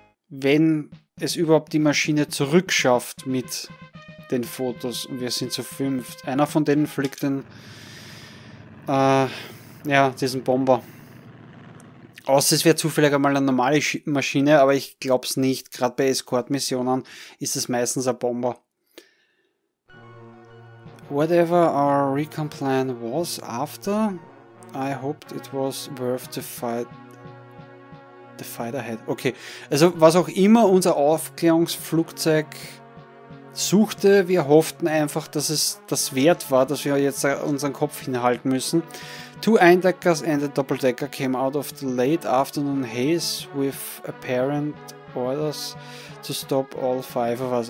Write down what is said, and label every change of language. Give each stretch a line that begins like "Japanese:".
German: Wenn es überhaupt die Maschine zurückschafft mit den Fotos und wir sind zu fünft. Einer von denen fliegt den diesen Bomber. Außer es wäre zufällig einmal eine normale Maschine, aber ich glaube es nicht. Gerade bei Escort-Missionen ist es meistens ein Bomber.
English: Whatever our recon plan was after, I hoped it was worth the fight ahead.
German: Okay, also was auch immer unser Aufklärungsflugzeug suchte, wir hofften einfach, dass es das wert war, dass wir jetzt unseren Kopf hinhalten müssen.
English: Two Eindeckers and a Doppeldecker came out of the late afternoon haze with apparent orders to stop all five of us.